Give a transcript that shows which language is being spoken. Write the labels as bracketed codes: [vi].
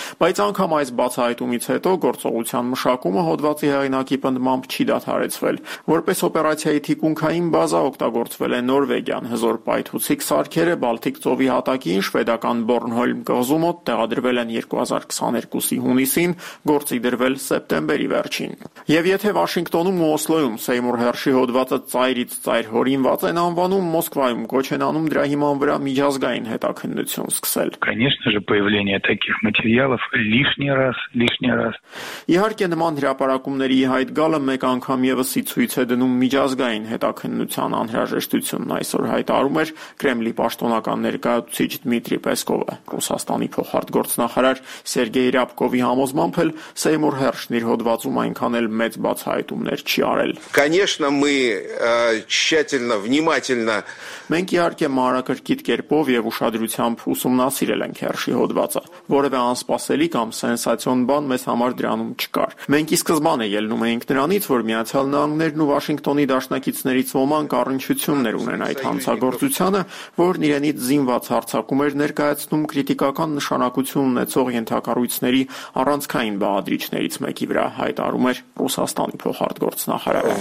[hy] Բայց անգամ այս բացահայտումից հետո գործողության մշակումը հոդվացի հեղինակի պնդմամբ չի դադարեցվել։ Որպես օպերացիայի թիկունքային բազա օգտագործվել է Նորվեգիան, հզոր պայթուցիկ սարքերը Բալթիկ ծովի հատակին շվեդական Բորնհոլմ կղզու մոտ տեղադրվել են 2022-ի հունիսին, գործի դրվել սեպտեմբերի վերջին։ Եվ եթե Վաշինգտոնում ու Օսլոյում Սեյմուր Հերշի հոդվածը ծայրից ծայր հորինված են անվանում, Մոսկվայում կոչ են անում դրա հիման վրա միջազգային հետաքննություն սկսել։ [ru] Конечно же, появление таких материалов лишний раз. [hy] Իհարկե նման հրապարակումների հայտ գալը մեկ անգամ եւսի ցույց է դնում միջազգային հետաքննության անհրաժեշտությունն, այսօր հայտարում էր Կրեմլի պաշտոնական ներկայացուցիչ Դմիտրի Պեսկովը։ Ռուսաստանի փոխարտ գործնախարար Սերգեյ Ռապկովի համոզմամբ Սեյմուր Հերշն իր հոդվածում այնքան էլ մեծ բացահայտումներ չի արել։ [ru] Конечно, мы тщательно, внимательно. [hy] Մենք իհարկե մանրակրկիտ կերպով եւ ուշադրությամբ ուսումնասիրել ենք Հերշի հոդվածը, որևէ անսպասելի կամ սենսացիոն բան մեզ համար դրանում չկար։ Մենք ի սկզբանե ելնում էինք նրանից, որ Միացյալ Նահանգներն ու Վաշինգտոնի դաշնակիցներից ոմանք առնչություններ ունեն այդ հանցագործությանը, որն իրենից զինված հարձակում էր ներկայացնում կրիտիկական նշանակություն ունեցող ենթակառույցների առանցքային բաղադրիչներից մեկի վրա, հայտարում էր Ռուսաստանի փոխարտ գործնախարարը։